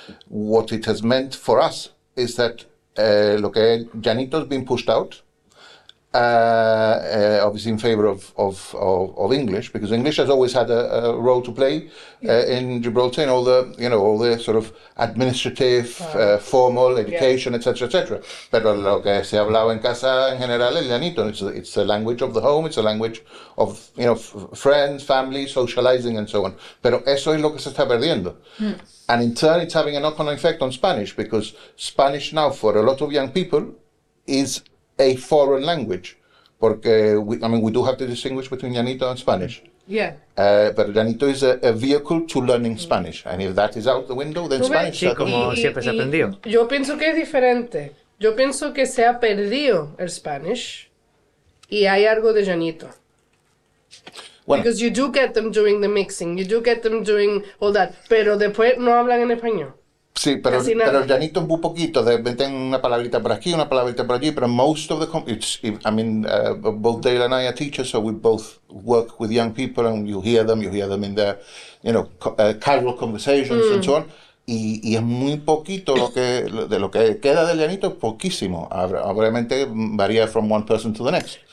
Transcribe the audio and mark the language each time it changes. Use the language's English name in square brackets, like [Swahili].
[English] What it has meant for us is that [Spanish] lo que [English] Janito has been pushed out, obviously in favor of English, because English has always had a role to play in Gibraltar, in all the, you know, all the sort of administrative, formal education, etc. [Spanish] Pero lo que se ha hablado en casa en general es llanito. [English] It's the language of the home, it's the language of, you know, friends, family, socializing, and so on. [Spanish] Pero eso es lo que se está perdiendo. [English] And in turn, it's having a knock-on effect on Spanish, because Spanish now, for a lot of young people, is a foreign language. Porque, we do have to distinguish between llanito and Spanish. Yeah. But llanito is a vehicle to learning Spanish. And if that is out the window, then Spanish [Spanish] is como siempre se ha aprendido. Yo pienso que es diferente. Yo pienso que se ha perdido el Spanish, y hay algo de llanito. Bueno. [English] Because you do get them doing the mixing, you do get them doing all that, [Spanish] pero después no hablan en español. Sí, pero llanito un poquito, meten una palabrita por aquí, una palabrita por allí, pero [English] most of the, both Dale and I are teachers, so we both work with young people, and you hear them in their, you know, casual conversations and so on, [Spanish] y es muy poquito lo que queda del llanito, poquísimo, obviamente varía [English] from one person to the next.